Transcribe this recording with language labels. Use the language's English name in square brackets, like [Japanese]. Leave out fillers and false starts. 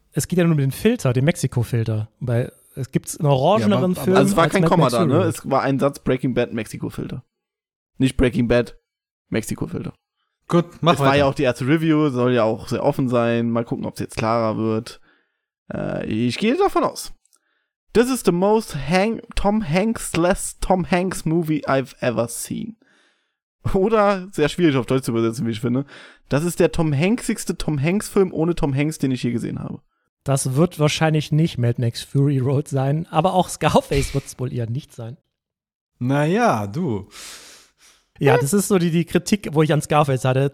[German] Es geht ja nur um den Filter, den Mexiko-Filter. Weil es gibt einen orangeneren Film. Also es war kein Komma da, ne? Es war ein Satz Breaking Bad, Mexiko-Filter. Nicht Breaking Bad, Mexiko-Filter. Gut, mach weiter. Es war ja auch die erste Review, soll ja auch sehr offen sein. Mal gucken, ob es jetzt klarer wird. Ich gehe davon aus. [English] This is the most Tom Hanks-less Tom Hanks movie I've ever seen. [German] Oder, sehr schwierig auf Deutsch zu übersetzen, wie ich finde, das ist der Tom Hanksigste Tom Hanks-Film ohne Tom Hanks, den ich je gesehen habe. Das wird wahrscheinlich nicht Mad Max Fury Road sein, aber auch Scarface wird es wohl eher nicht sein. Naja, du. Ja, das ist so die Kritik, wo ich an Scarface hatte.